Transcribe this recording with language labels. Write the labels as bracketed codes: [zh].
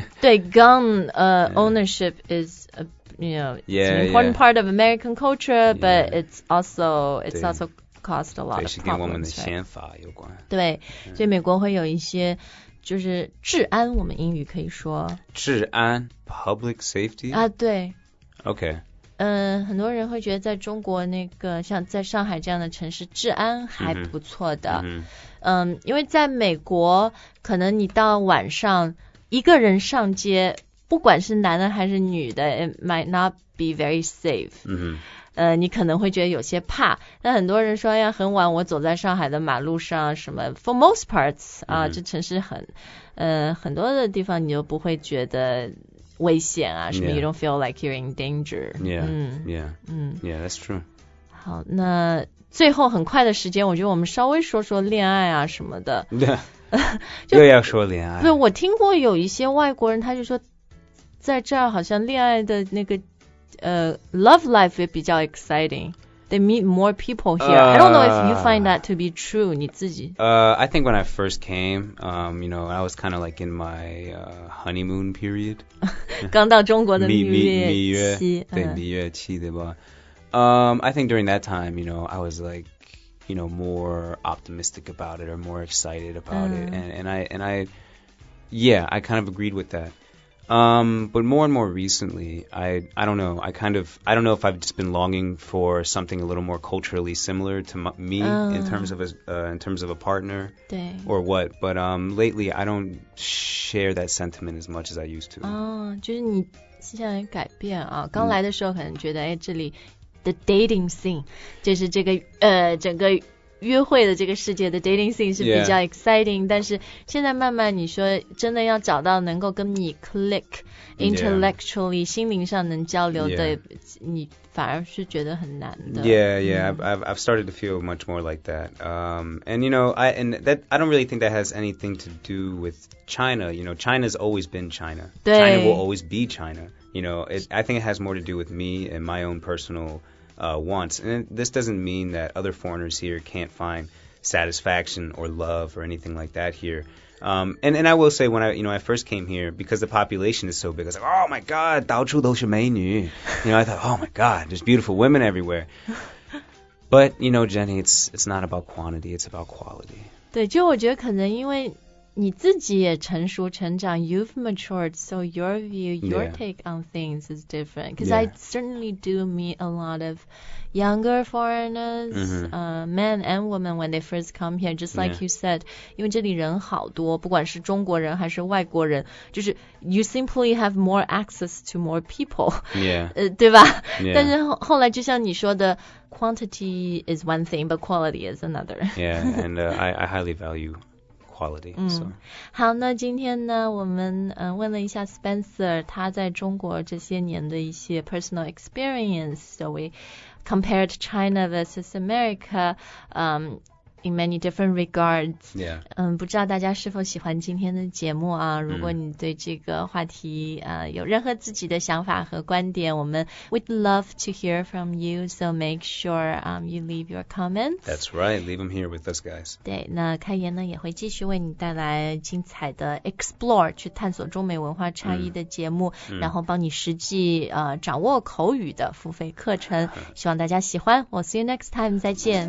[zh] 对 [en] gun ownership is a, you know it's yeah, an important yeah. part of American culture but yeah. it's also caused a lot of problems [zh] 跟我们的宪法有关对、yeah. 所以美国会有一些就是治安我们英语可以说治安 [en] public safety 啊对 OK [zh] 很多人会觉得在中国那个像在上海这样的城市治安还不错的 因为在美国可能你到晚上一个人上街不管是男的还是女的 [en] it might not be very safe [zh] 你可能会觉得有些怕那很多人说呀很晚我走在上海的马路上什么 [en] for most parts [zh] 啊、mm-hmm. 这城市很多的地方你就不会觉得危险啊什么、 yeah. [en] you don't feel like you're in danger yeah yeah yeah that's true [zh] 好那最后很快的时间我觉得我们稍微说说恋爱啊什么的对、yeah. 又要说恋爱对我听过有一些外国人他就说在这儿好像恋爱的那个 [en] love life [zh] 也比较 exciting [en] they meet more people here I don't know if you find that to be true [zh] 你自己 [en] I think when I first came you know I was kind of like in my honeymoon period [zh] 刚到中国的蜜月期对蜜月期对吧 [en] I think during that time you know I was like you know more optimistic about it or more excited about it and I yeah I kind of agreed with thatBut more and more recently, I don't know, I don't know if I've just been longing for something a little more culturally similar to me in terms of a partner or what, but lately I don't share that sentiment as much as I used to. [zh] 就是你思想改变啊，刚来的时候可能觉得哎，这里 [en] the dating scene, [zh] 就是这个整个约会的这个世界的 dating scene 是比较 exciting、 yeah. 但是现在慢慢你说真的要找到能够跟你 [en] click intellectually、 yeah. [zh] 心灵上能交流的、 yeah. 你反而是觉得很难的 [en] yeah yeah、嗯、I've started to feel much more like that and you know I don't really think that has anything to do with China you know China's always been China 对 China will always be China you know I think it has more to do with me and my own personalwants and this doesn't mean that other foreigners here can't find satisfaction or love or anything like that here and I will say when I you know I first came here because the population is so big I was like oh my god [zh] 到处都是美女 [en] you know I thought oh my god there's beautiful women everywhere but you know Jenny it's not about quantity it's about quality [zh] 对就我觉得可能因为你自己也成熟成长 [en] you've matured so your view your、 yeah. take on things is different because、yeah. I certainly do meet a lot of younger foreigners、 mm-hmm. men and women when they first come here just like、 yeah. you said [zh] 因为这里人好多不管是中国人还是外国人就是 [en] you simply have more access to more people yeah 对吧、 yeah. [zh] 但是后来就像你说的 [en] quantity is one thing but quality is another yeah and I highly valueQuality, so. [zh] 好那今天呢我们问了一下 Spencer 他在中国这些年的一些 [en] personal experience so we compared China versus America in many different regards. Yeah. [zh] 不知道大家是否喜欢今天的节目啊？如果你对这个话题有任何自己的想法和观点，我们 [en] we'd love to hear from you. So make sure you leave your comments. That's right. Leave them here with us, guys. [zh] 对，那开言呢也会继续为你带来精彩的 explore 去探索中美文化差异的节目，然后帮你实际掌握口语的付费课程。希望大家喜欢。 [en] We'll see you next time. [zh] 再见。